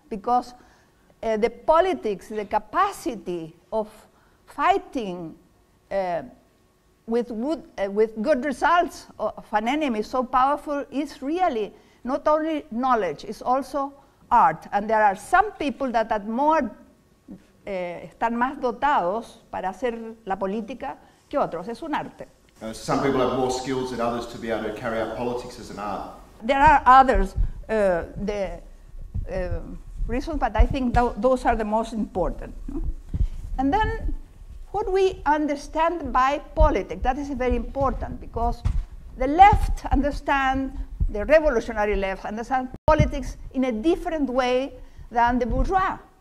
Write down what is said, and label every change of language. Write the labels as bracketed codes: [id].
[en] Because the politics, the capacity of fighting with good results of an enemy so powerful is really not only knowledge, it's also art. And there are some people that are more [es] están más dotados para hacer la política que otros. Es un arte. [en] Some people have more skills than others to be able to carry out politics as an art. There are others, the reasons, but I think those are the most important. And then what we understand by politics, that is very important, because the left understand, the revolutionary left understand politics in a different way than the bourgeois.